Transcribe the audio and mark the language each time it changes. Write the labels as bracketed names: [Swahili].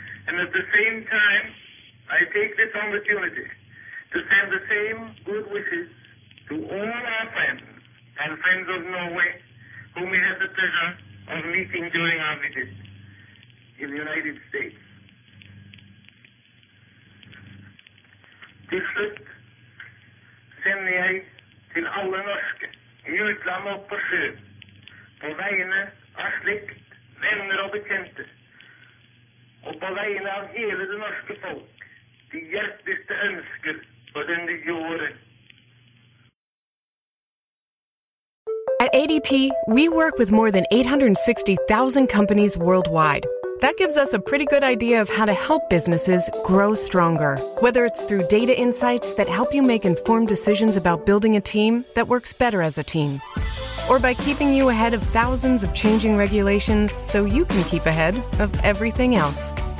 [English] And at the same time, I take this opportunity to send the same good wishes to all our friends and friends of Norway whom we had the pleasure of meeting during our visit in the United States. [Norwegian] Til slutt sender jeg til alle norske I utlandet og på sjøen, på vegne av slekt, venner og bekjente, og på vegne av hele det norske folk, de hjerteligste ønsker for den nye året. [English] At ADP, we work with more than 860,000 companies worldwide. That gives us a pretty good idea of how to help businesses grow stronger. Whether it's through data insights that help you make informed decisions about building a team that works better as a team, or by keeping you ahead of thousands of changing regulations so you can keep ahead of everything else.